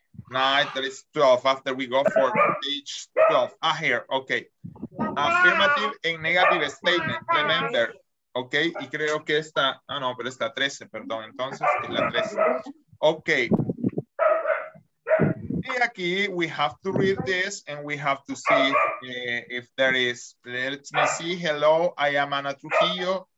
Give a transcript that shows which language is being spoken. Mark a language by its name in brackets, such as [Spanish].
[English] Nine, that is 12 after we go for page 12. Ah, here, okay. Affirmative and negative statement, remember. [Spanish] Ok, y creo que esta, ah no, pero esta 13, perdón, entonces es la 13. [English] Ok. [Spanish] Y aquí, [English] we have to read this and we have to see if there is, let me see, hello, I am Ana Trujillo.